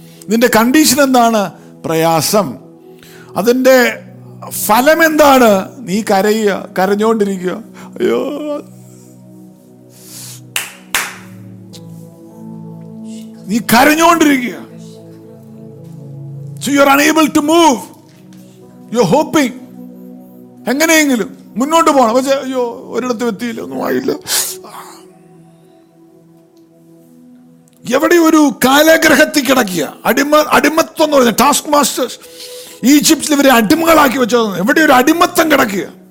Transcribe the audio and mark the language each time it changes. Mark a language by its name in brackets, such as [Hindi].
[Malayalam] നിന്റെ കണ്ടീഷൻ എന്താണ്? പ്രയാസം. അതിന്റെ ഫലം എന്താണ്? നീ കരയുക, കരഞ്ഞോണ്ടിരിക്കുക, അയ്യോ നീ കരഞ്ഞോണ്ടിരിക്കുക. [English] So you are unable to move, you're hoping, [Malayalam] എങ്ങനെയെങ്കിലും മുന്നോട്ട് പോകണം. പക്ഷെ അയ്യോ ഒരിടത്ത് എത്തിയില്ല, ഒന്നും ആയില്ല. എവിടെ ഒരു കാലഗ്രഹത്തിൽ കിടക്കുക, അടിമത്വം എന്ന് പറഞ്ഞ ടാസ്ക് മാസ്റ്റേഴ്സ് ഈജിപ്തിൽ ഇവരെ അടിമകളാക്കി വെച്ചത്, എവിടെ ഒരു അടിമത്തം കിടക്കുക.